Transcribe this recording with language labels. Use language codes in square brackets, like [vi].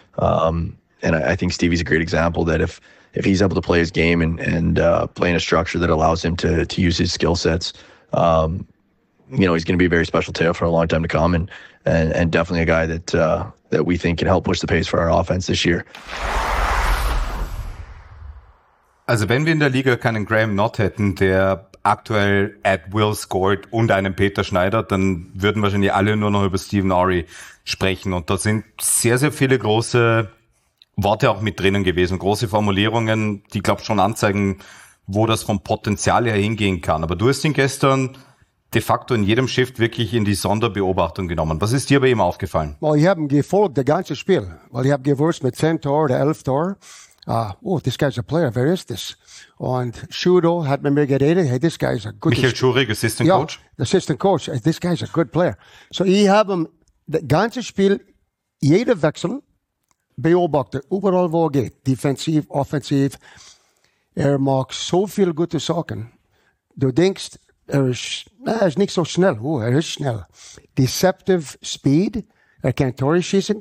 [en] And I think Stevie's a great example that if he's able to play his game and play in a structure that allows him to use his skill sets, you know, he's going to be a very special tail for a long time to come and definitely a guy that we think can help push the pace for our offense this year. [de] Also wenn wir in der Liga keinen Graham Nott hätten, der aktuell Ed Wills Gold und einem Peter Schneider, dann würden wahrscheinlich alle nur noch über Stephen Ury sprechen. Und da sind sehr, sehr viele große Worte auch mit drinnen gewesen, große Formulierungen, die, glaube ich, schon anzeigen, wo das vom Potenzial her hingehen kann. Aber du hast ihn gestern de facto in jedem Shift wirklich in die Sonderbeobachtung genommen. Was ist dir bei ihm aufgefallen? Well, ich habe ihn gefolgt, das ganze Spiel. Weil ich habe gewusst, mit 10 Tor oder 11 Tor, this guy's a player, where is this? Und Schudo hat mit mir geredet, hey, this guy's a good Michael Schurig, Assistant Coach. [en] Ja, Assistant Coach, hey, this guy's a good player. [de] So ich habe ihn das ganze Spiel, jeder Wechsel, beobachtet, überall wo er geht, defensiv, offensiv. Er mag so viel gute Sachen. Du denkst, er ist nicht so schnell. Oh, er ist schnell. Deceptive speed. Er kann Tore schießen.